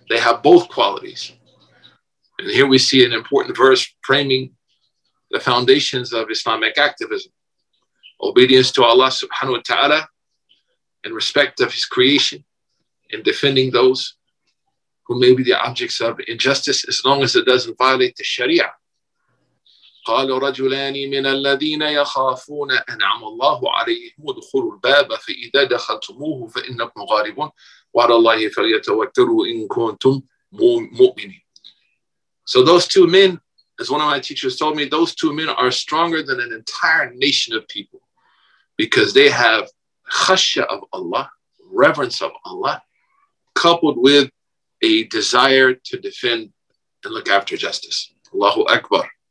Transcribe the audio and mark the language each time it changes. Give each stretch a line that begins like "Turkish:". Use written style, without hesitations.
English: They have both qualities. And here we see an important verse framing the foundations of Islamic activism. Obedience to Allah subhanahu wa ta'ala in respect of His creation and defending those who may be the objects of injustice, as long as it doesn't violate the Sharia.
Arabic: قال رجلان من الذين يخافون أنعم الله عليهم ادخلوا الباب فإذا دخلتموه فإنكم غالبون وعلى الله فليتوكلوا إن كنتم مؤمنين.
English: So those two men, as one of my teachers told me, those two men are stronger than an entire nation of people because they have khashya of Allah, reverence of Allah, coupled with a desire to defend and look after justice. Allahu Akbar.